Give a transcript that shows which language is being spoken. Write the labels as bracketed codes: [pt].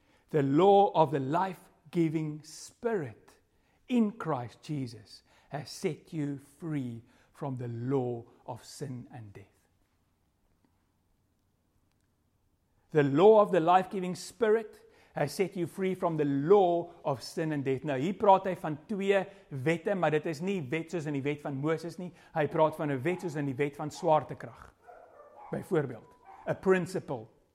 [en] the law of the life-giving Spirit in Christ Jesus has set you free from the law of sin and death. The law of the life-giving Spirit has set you free from the law of sin and death. [af] Nou, hier praat hy van twee wette, maar dit is nie wet soos in die wet van Moses nie. Hy praat van 'n wet soos in die wet van swaartekrag. Byvoorbeeld, a principle.